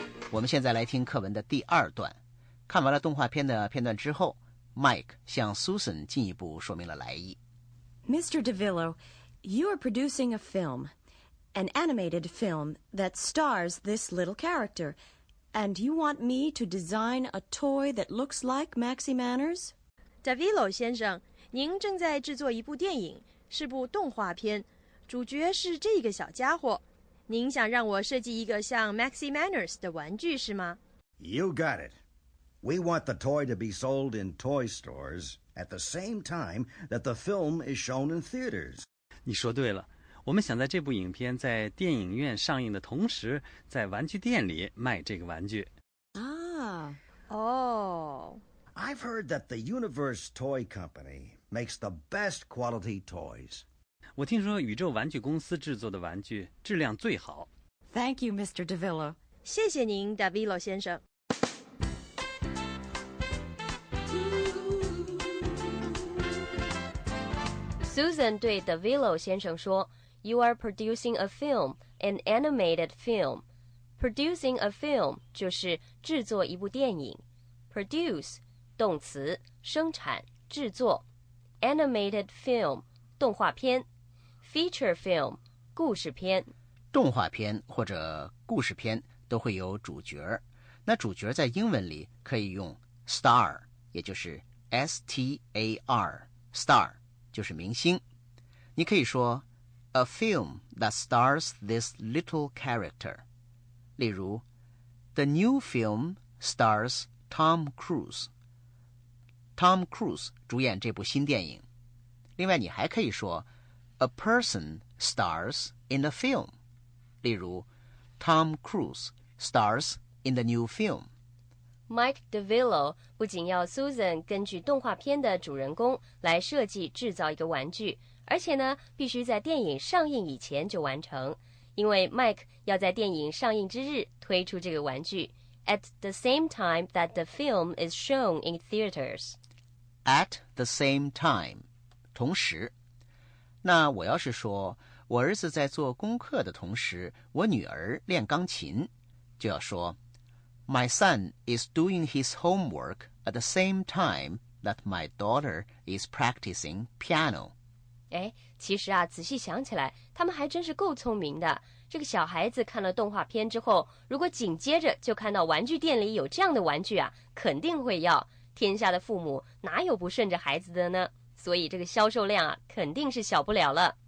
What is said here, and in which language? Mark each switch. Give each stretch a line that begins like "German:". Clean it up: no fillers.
Chinese: 我们现在来听课文的第二段。看完了动画片的片段之后， Mike 向 Susan 进一步说明了来意。
English: Mr. DeVillo, you are producing a film, an animated film that stars this little character, and you want me to design a toy that looks like Maxi Manners?
Chinese: DeVillo 先生，您正在制作一部电影，是部动画片，主角是这个小家伙。您想让我设计一个像 Maxi Manners 的玩具是吗？
English: You got it. We want the toy to be sold in toy stores at the same time that the film is shown in theaters.
Chinese: 你说对了，我们想在这部影片在电影院上映的同时，在玩具店里卖这个玩具。
English: I've heard that the Universe Toy Company makes the best quality toys.
Chinese: 我听说宇宙玩具公司制作的玩具质量最好。
English: Thank you, Mr. DeVillo.
Chinese: 谢谢您 ,DeVillo 先生。
English: Susan
Chinese: 对 DeVillo 先生说
English: ,You are producing a film, an animated film. Producing a film
Chinese: 就是制作一部电影。 Produce, 动词生产制作。 Animated film, 动画片。 Feature film, 故事片。动画片或者故事片都会有主角。那主角在英文里可以用 star, 也就是 S-T-A-R, star, 就是明星。你可以说
English: A film that stars this little character. 例如 The new film stars Tom Cruise.
Chinese: Tom Cruise 主演这部新电影。另外你还可以说
English: A person stars in a film. 例如 Tom Cruise stars in the new film.
Chinese: Mike DeVillo 不仅要 Susan 根据动画片的主人公来设计制造一个玩具，而且呢必须在电影上映以前就完成，因为 Mike 要在电影上映之日推出这个玩具。
English: At the same time that the film is shown in theaters.
Chinese: At the same time, 同时。 那我要是说我儿子在做功课的同时我女儿练钢琴，就要说
English: My son is doing his homework at the same time that my daughter is practicing piano.
Chinese: 哎，其实啊，仔细想起来他们还真是够聪明的。这个小孩子看了动画片之后，如果紧接着就看到玩具店里有这样的玩具啊，肯定会要。天下的父母哪有不顺着孩子的呢？所以这个销售量啊，肯定是小不了了。